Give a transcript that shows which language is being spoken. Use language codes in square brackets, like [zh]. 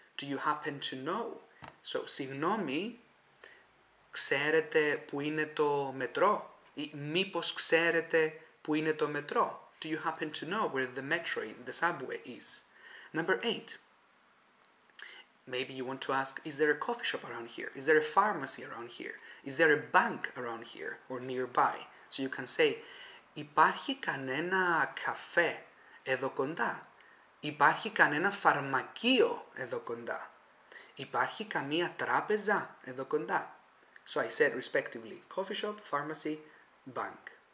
[en] Do you happen to know? So, [el] συγγνώμη, ξέρετε που είναι το μετρό. Μήπως ξέρετε που είναι το μετρό. [en] Do you happen to know where the metro is, the subway is? Number 8. Maybe you want to ask, is there a coffee shop around here? Is there a pharmacy around here? Is there a bank around here or nearby? So you can say, [el] υπάρχει κανένα καφέ εδώ κοντά? Υπάρχει κανένα φαρμακείο εδώ κοντά? Υπάρχει καμία τράπεζα εδώ κοντά? [en] So I said respectively, coffee shop, pharmacy, bank.